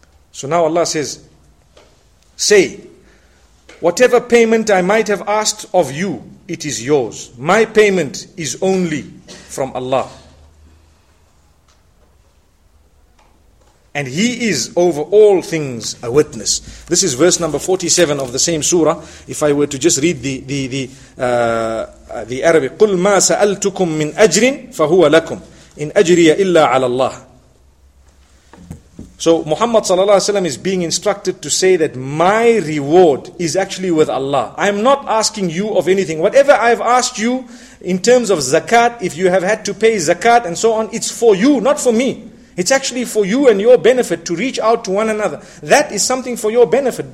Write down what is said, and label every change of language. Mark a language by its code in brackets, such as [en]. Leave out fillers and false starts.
[en] So now Allah says, say, whatever payment I might have asked of you, it is yours. My payment is only from Allah. And He is over all things a witness. This is verse number 47 of the same surah. If I were to just read the Arabic, [ar] قُلْ مَا سَأَلْتُكُمْ مِنْ أَجْرٍ فَهُوَ لَكُمْ إِنْ أَجْرِيَ إِلَّا عَلَى اللَّهِ. [en] So Muhammad sallallahu alaihi wasallam is being instructed to say that my reward is actually with Allah. I am not asking you of anything. Whatever I've asked you in terms of zakat, if you have had to pay zakat and so on, it's for you, not for me. It's actually for you and your benefit to reach out to one another. That is something for your benefit.